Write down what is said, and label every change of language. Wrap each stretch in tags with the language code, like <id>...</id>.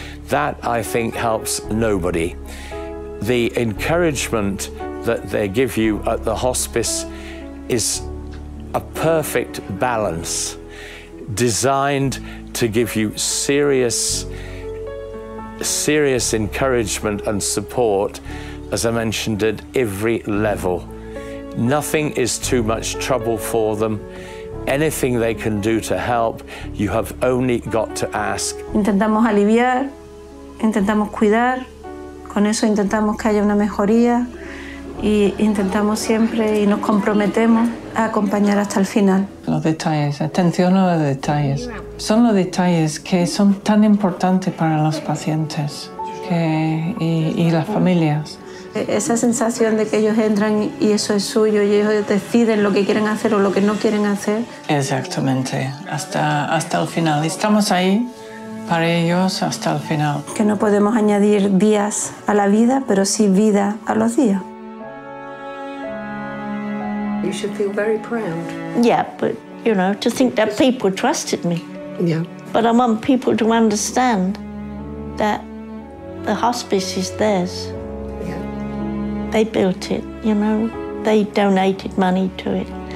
<en>That, I think, helps nobody. The encouragement that they give you at the hospice is a perfect balance designed to give you serious encouragement and support, as I mentioned, at every level. Nothing is too much trouble for them. Anything they can do to help, you have only got to ask.</en> <es>Intentamos aliviar, intentamos cuidar, con eso intentamos que haya una mejoría y intentamos siempre y nos comprometemos a acompañar hasta el final. Los detalles, atención a los detalles. Son los detalles que son tan importantes para los pacientes y las familias. Esa sensación de que ellos entran y eso es suyo y ellos deciden lo que quieren hacer o lo que no quieren hacer. Exactamente, hasta el final. Estamos ahí para ellos hasta el final. Que no podemos añadir días a la vida, pero sí vida a los días.</es> <en>You should feel very proud. Yeah, but, you know, to think that people trusted me. Yeah. But I want people to understand that the hospice is theirs. They built it, you know. They donated money to it.</en>